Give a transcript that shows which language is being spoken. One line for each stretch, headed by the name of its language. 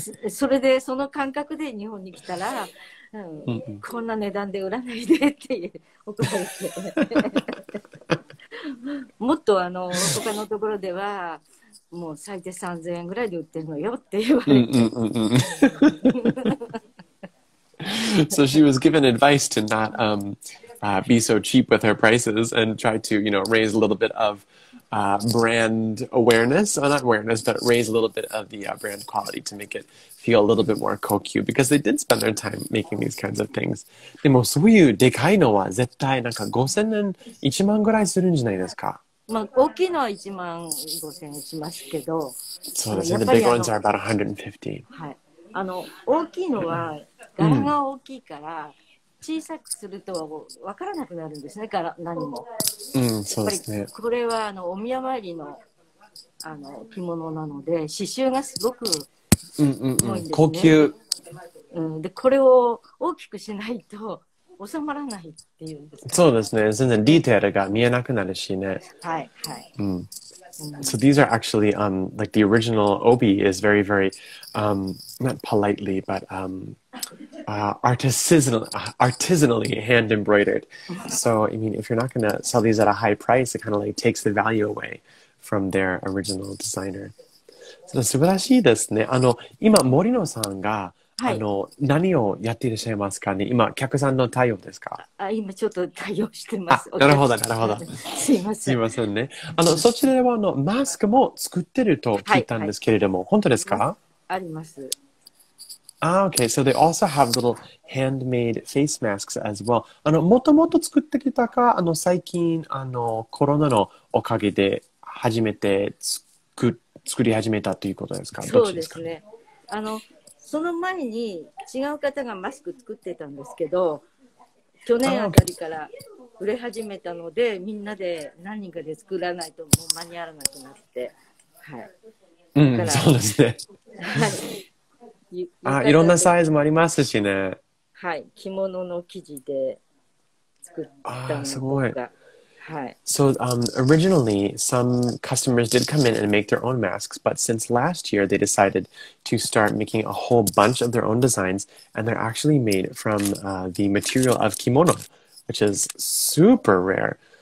Japanese: それでその感覚で日本に来たら、うんうんうん、こんな値段で売らないでって送られて。もっとあの他のところではもう最低3000円ぐらいで売ってるのよって言われて、うんうんうんうん。
English: So she was given advice to not be so cheap with her prices and try to, you know, raise a little bit of brand awareness. Oh, not awareness, but raise a little bit of the brand quality to make it feel a little bit more kokyu, because they did spend their time making these kinds of things.
Japanese: でもそういうでかいのは絶対なんか5000円、1万ぐらいするんじゃないですか。まあ、大きいのは1万5000円しますけど。そうですね。
English: The big ones are about 150.
Japanese: はい。あの大きいのは柄が大きいから小さくすると分からなくなるんですね、柄何も。うん、そうですね。これはあのお宮参り の着物なので刺繍がすごく高級、うん、でこれを大きくしないと収まらないっていうんですか。そうですね。全然ディテールが見えなくなるしね。はいはい。うん。
English: So these are actually like the original obi is very very not politely but artisanally hand embroidered. So I mean if you're not gonna sell these at a high price, it kind of like takes the value away from their original designer.
Japanese: So 素晴らしいですね。あの今森野さんが、はい、あの何をやっていらっしゃいますかね。今客さんの対応ですか。あ、今ちょっと対応してます。なるほどなるほど。すいません。すいませんね。あのそちらではあのマスクも作ってると聞いたんですけれども、はいはい、本当ですか。あります。
English: あ、okay. So they also have little handmade face masks as well.
Japanese: あのもともと作ってきたか、あの最近あのコロナのおかげで初めて作り始めたということですか。そうですね。あのその前に違う方がマスク作ってたんですけど、去年あたりから売れ始めたので、みんなで何人かで作らないともう間に合わなくなって、はい、うん、そうですね、はい、あ、いろんなサイズもありますしね、はい、着物の生地で作ったのが、あ、すごい、はい、
English: So originally, some customers did come in and make their own masks, but since last year, they decided to start making a whole bunch of their own designs, and they're actually made from the material of kimono, which is super rare.